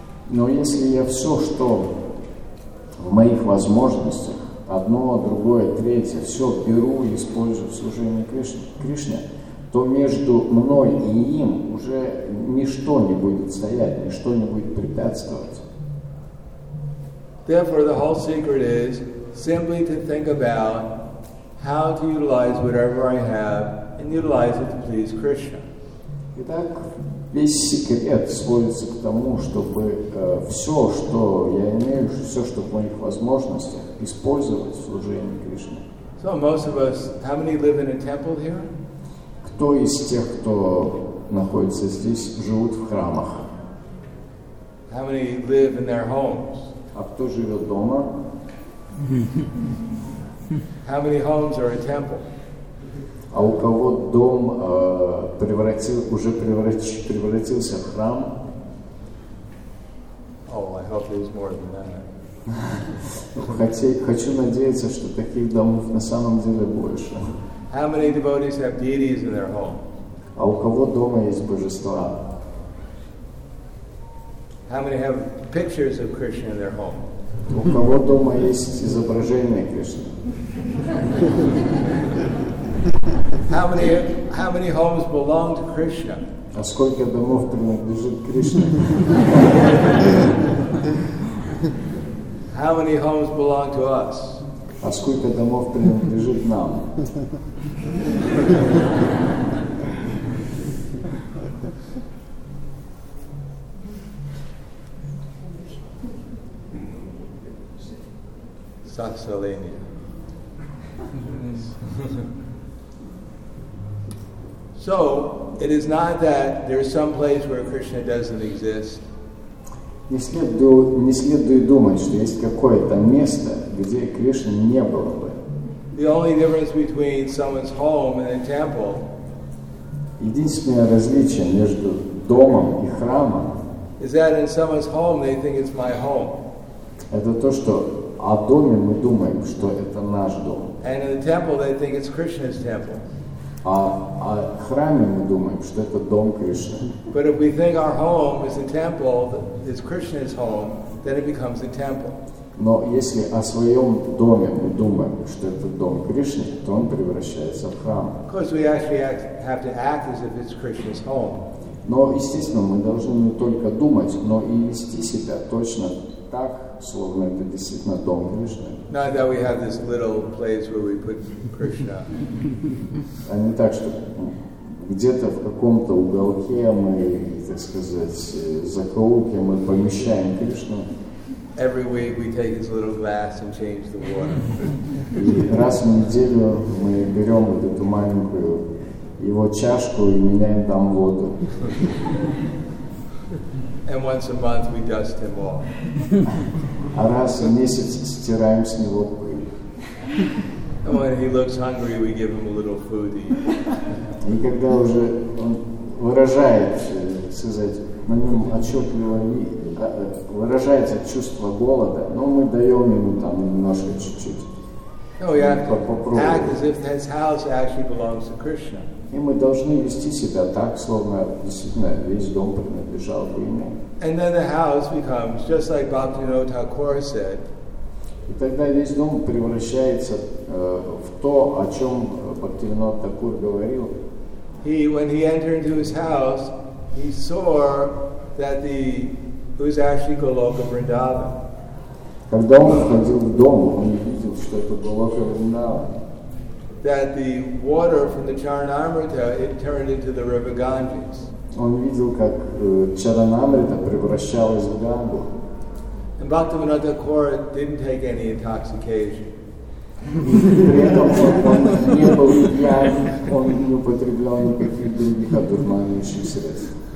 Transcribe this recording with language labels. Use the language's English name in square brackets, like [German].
[Russian] Но если я все, что в моих возможностях, одно, другое, третье, все беру и использую в служении Кришне, то между мной и им уже ничто не будет стоять, ничто не будет препятствовать. [English] Therefore, the whole secret is simply to think about how to utilize whatever I have and utilize it to please Krishna. [Russian] Итак, весь секрет сводится к тому, чтобы все, что я имею, все, что в моих возможностях, использовать в служении Кришне. [English] So most of us, how many live in a temple here? [Russian] Кто из тех, кто находится здесь, живут в храмах? [English] How many live in their homes? [Russian] А кто живет дома? [English] How many homes are a temple? [Russian] А у кого дом превратился в храм? [English] Oh, I hope there's more than that. [Russian] Хочу надеяться, что таких домов на самом деле больше. [English] How many devotees have deities in their home? [Russian] А у кого дома есть божества? [English] How many have pictures of Krishna in their home? [Russian] У кого дома есть изображение Кришны? [English] How many homes belong to Krishna? [Russian] А сколько домов принадлежит Кришне? [English] How many homes belong to us? [Russian] А сколько домов принадлежит нам? Сахсаления. [English] So, it is not that there is some place where Krishna doesn't exist. [Russian] Не следует думать, что есть какое-то место, где Кришны не было бы. [English] The only difference between someone's home and a temple. [Russian] Единственное различие между домом и храмом. [English] Is that in someone's home they think it's my home. [Russian] Это то, что о доме мы думаем, что это наш дом. [English] And in the temple they think it's Krishna's temple. [Russian] А в храме мы думаем, что это дом Кришны. [English] But if we think our home is a temple, it's Krishna's home, then it becomes a temple. [Russian] Но если о своем доме мы думаем, что это дом Кришны, то он превращается в храм. [English] Of course, we actually have to act as if it's Krishna's home. [Russian] Но естественно, мы должны не только думать, но и вести себя точно так, словно это действительно дом Кришны. [English] Not that we have this little place where we put Krishna. [Russian] А не так, что где-то в каком-то уголке мы, так сказать, закоулке мы помещаем Кришну. [English] Every week we take his little glass and change the water. [Russian] И раз в неделю мы берем вот эту маленькую его чашку и меняем там воду. [English] And once a month we dust him off. [Russian] А раз в месяц стираем с него пыль. [English] And when he looks hungry, we give him a little food to eat. [Russian] И когда уже он выражает, сказать, на нем отчетливо выражается чувство голода, но мы даем ему там немножко чуть-чуть. [English] No, we have to act as if his house actually belongs to Krishna. [Russian] И мы должны вести себя так, словно действительно весь дом принадлежал бы ему. [English] And then the house becomes, just like Bhaktivinoda Thakura said. [Russian] И тогда весь дом превращается в то, о чем Бхактивинода Такур говорил. [English] When he entered into his house, he saw that the it was actually Goloka Vrindavan. [Russian] Когда он входил в дом, он увидел, что это Голока Вриндаван. [English] That the water from the Charanamrita it turned into the river Ganges. [Russian] Он видел, как Чаранамрита превращалась в Гангу. [English] And Bhaktivinoda Thakura didn't take any intoxication. [Russian] При этом он не был пьян, он не употреблял никаких других одурманивающих средств.